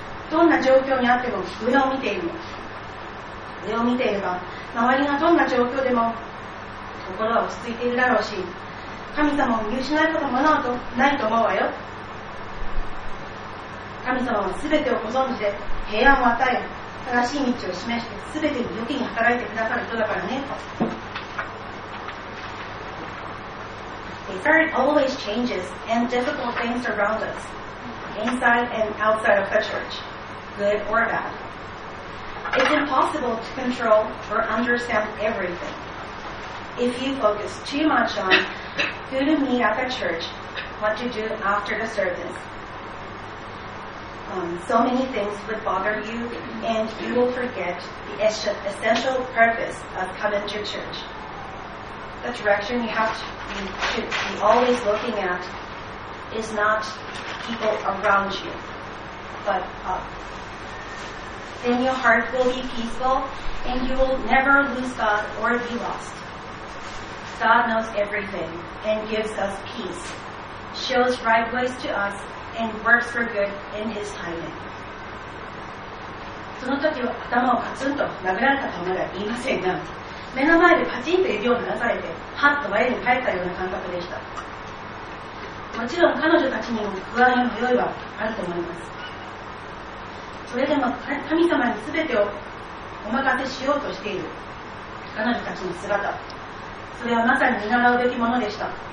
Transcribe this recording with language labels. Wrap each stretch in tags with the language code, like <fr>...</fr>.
<ja>どんな状況にあっても上を見ているの。上を見ていれば周りがどんな状況でも心は落ち着いているだろうし、神様を見失うこともないと思うわよ。神様は全てをご存知で平安を与え、正しい道を示して全てに良きに働いてくださる人だからね。</ja> <en>The earth always changes and difficult things around us, inside and outside of the churchGood or bad. It's impossible to control or understand everything. If you focus too much on who to meet at the church, what to do after the service, so many things would bother you and you will forget the essential purpose of coming to church. The direction you have to be always looking at is not people around you, but up. Then your heart will be peaceful and you will never lose God or be lost. God knows everything and gives us peace, shows right ways to us and works for good in His timing.</en> <ja>その時は頭をカツンと殴られたとまでは言いませんが、目の前でパチンと指を鳴らされて、ハッと前に帰ったような感覚でした。もちろん彼女たちにも不安や迷いはあると思います。それでも神様に全てをお任せしようとしている彼女たちの姿、それはまさに見習うべきものでした。</ja>